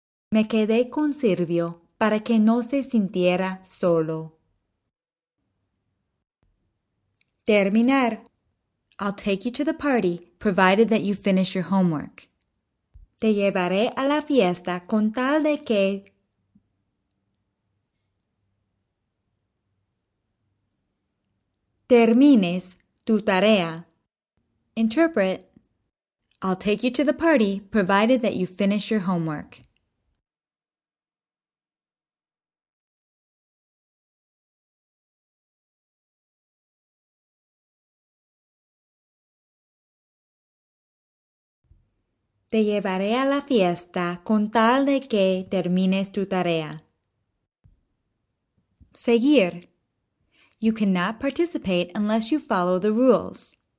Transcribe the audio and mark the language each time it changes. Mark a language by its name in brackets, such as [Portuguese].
[Spanish] Me quedé con Silvio para que no se sintiera solo. Terminar. [English] I'll take you to the party, provided that you finish your homework. [Spanish] Te llevaré a la fiesta con tal de que... termines tu tarea. [English] Interpret. I'll take you to the party, provided that you finish your homework. [Spanish] Te llevaré a la fiesta con tal de que termines tu tarea. Seguir. [English] You cannot participate unless you follow the rules.